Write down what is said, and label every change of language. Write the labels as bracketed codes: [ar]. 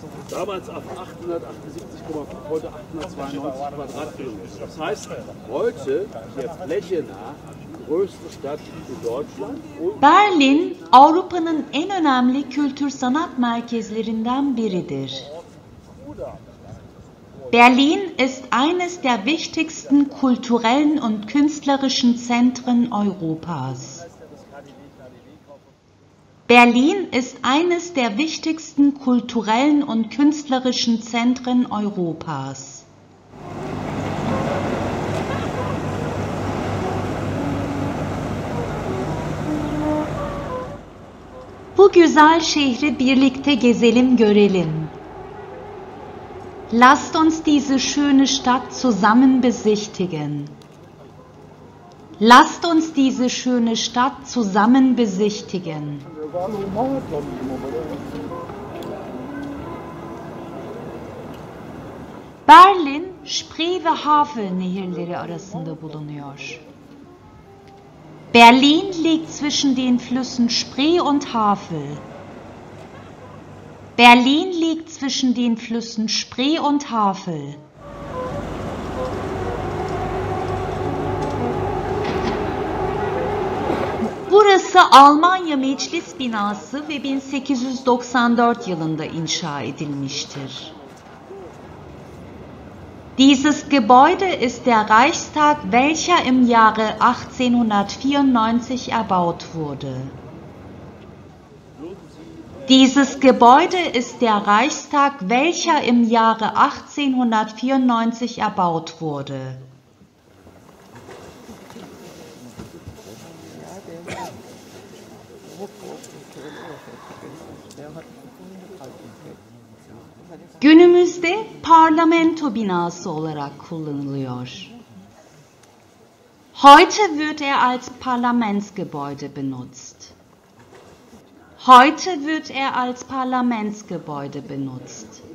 [de] Damals auf 878, heute 892 Quadratkilometer. Das heißt, heute der Fläche nach größte Stadt in Deutschland. [tr] Berlin, Avrupa'nın en önemli kültür-sanat merkezlerinden biridir. [de] Berlin ist eines der wichtigsten kulturellen und künstlerischen Zentren Europas. Berlin ist eines der wichtigsten kulturellen und künstlerischen Zentren Europas. [tr] Bu güzel şehri birlikte gezelim, görelim. [de] Lasst uns diese schöne Stadt zusammen besichtigen. Lasst uns diese schöne Stadt zusammen besichtigen. [tr] Berlin, Spree ve Havel nehirleri arasında bulunuyor. [de] Berlin liegt zwischen den Flüssen Spree und Havel. Berlin liegt zwischen den Flüssen Spree und Havel. [tr] Burası Almanya Meclis binası ve 1894 yılında inşa edilmiştir. [de] Dieses Gebäude ist der Reichstag, welcher im Jahre 1894 erbaut wurde. Dieses Gebäude ist der Reichstag, welcher im Jahre 1894 erbaut wurde. [tr] Günümüzde Parlamento binası olarak kullanılıyor. [de] Heute wird als Parlamentsgebäude benutzt. Heute wird als Parlamentsgebäude benutzt.